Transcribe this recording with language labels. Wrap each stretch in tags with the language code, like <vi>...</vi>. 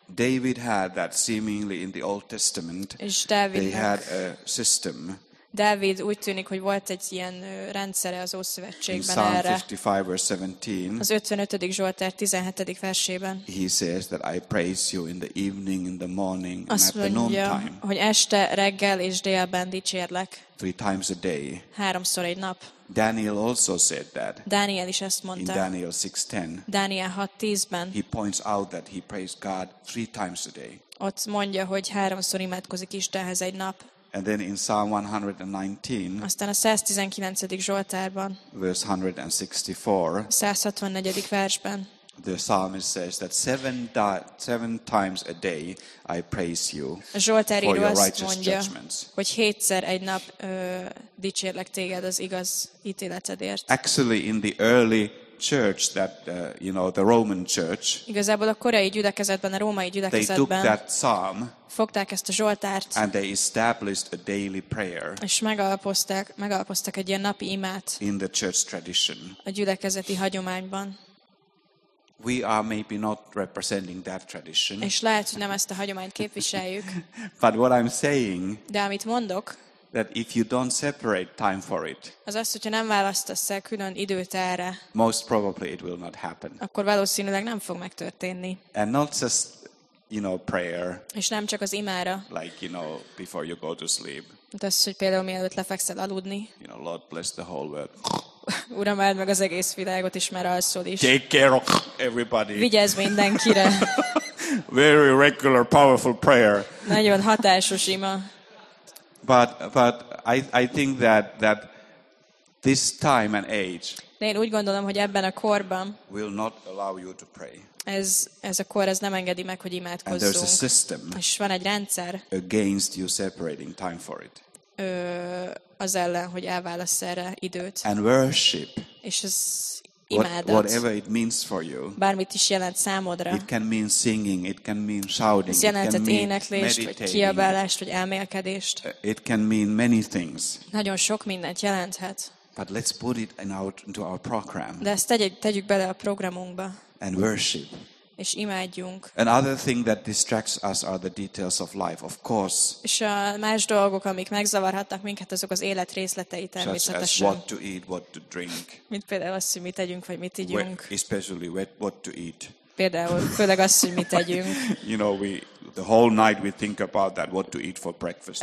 <en>David had that seemingly in the Old Testament.</en> <hu>És Dávidnak.</hu> <en>They had a system.</en> <hu>Dávid úgy tűnik, hogy volt egy ilyen rendszere az Ószövetségben</hu> <en>Psalm</en> <hu>erre.</hu> <en>55, verse 17,</en> <hu>az 55. Zsoltár 17. versében.</hu> <en>He says that I praise you in the evening, in the morning, and</en> <hu>azt</hu> <en>at the noon time.</en> <hu>Hogy este, reggel és délben dicsérlek.</hu> <en>3 times a day.</en> <hu>Háromszor egy nap.</hu> <en>Daniel also said that.</en> <hu>Daniel is ezt mondta.</hu> <en>In Daniel 6:10.</en> <hu>Daniel 6:10-ben.</hu> <en>He points out that he prays God 3 times a day.</en> <hu>Ott mondja, hogy háromszor imádkozik Istenhez egy nap.</hu> <en>And then in Psalm 119.</en> <hu>Aztán a 119. Zsoltárban.</hu> <en>Verse 164.</en> <hu>164. versben.</hu> <en>The psalmist says that seven times a day I praise you.</en> <hu>A Zsoltár</hu> <en>for your righteous</en> <hu>mondja,</hu> <en>judgments.</en> <hu>Hogy hétszer egy nap dicsérlek téged az igaz ítéletedért.</hu> <en>Actually in the early church that you know the Roman church.</en> <hu>Igazából a korai gyülekezetben, a római gyülekezetben.</hu> <en>They took that psalm.</en> <hu>Fogták ezt a Zsoltárt.</hu> <en>And they established a daily prayer.</en> <hu>És megalapoztak egy ilyen napi imát.</hu> <en>In the church tradition.</en> <hu>A gyülekezeti hagyományban.</hu> <en>We are maybe not representing that tradition.</en> <hu>És lehet, hogy nem ezt a hagyományt képviseljük.</hu> <en>But what I'm saying.</en> <hu>De amit mondok.</hu> <en>That if you don't separate time for it.</en> <hu>Az azt, hogyha nem választasz el külön időt erre.</hu> <en>Most probably it will not happen.</en> <hu>Akkor valószínűleg nem fog megtörténni.</hu> <en>And not just you know, prayer.</en> <hu>És nem csak az imára.</hu> <en>Like, you know, before you go to sleep.</en> <hu>Tesz, hogy például mielőtt lefekszel aludni.</hu> <en>You know, Lord bless the whole world.</en> <hu>Uram, áld meg az egész világot is, mert alszol is.</hu> <en>Take care of everybody.</en> <hu>Vigyázz mindenkire.</hu> <en>Very regular, powerful prayer.</en> <hu>Nagyon hatásos ima.</hu> <en>But I think that this time and age.</en> <hu>De én úgy gondolom, hogy ebben a korban.</hu> <en>Will not allow you to pray.</en> <hu>Ez a kor, ez nem engedi meg, hogy imádkozzunk.</hu> <en>And there's a system.</en> <hu>És van egy rendszer.</hu> <en>Against you separating time for it.</en> <hu>Az ellen, hogy elválassz erre időt.</hu> <en>And worship.</en> <hu>És ez imádat.</hu> <en>Whatever it means for you.</en> <hu>Bármit is jelent számodra.</hu> <en>It can mean singing, it can mean shouting, it can mean meditating.</en> <hu>Ez jelenthet éneklést, vagy kiabálást, vagy elmélkedést.</hu> <en>It can mean many things.</en> <hu>Nagyon sok mindent jelenthet.</hu> <en>But let's put it into our program.</en> <hu>De ezt tegyük bele a programunkba.</hu> <en>And worship.</en> <hu>És imádjunk.</hu> <en>Another thing that distracts us are the details of life, of course.</en> <hu>És a más dolgok, amik megzavarhatnak minket, azok az élet részletei természetesen.</hu> <en>Such as what to eat, what to drink.</en> <hu>Mint például azt, hogy mit tegyünk, vagy mit ígyünk.</hu> <en>Especially what to eat.</en> <hu>Például, főleg azt, hogy mit tegyünk.</hu> <en>You know, the whole night we think about that, what to eat for breakfast.</en>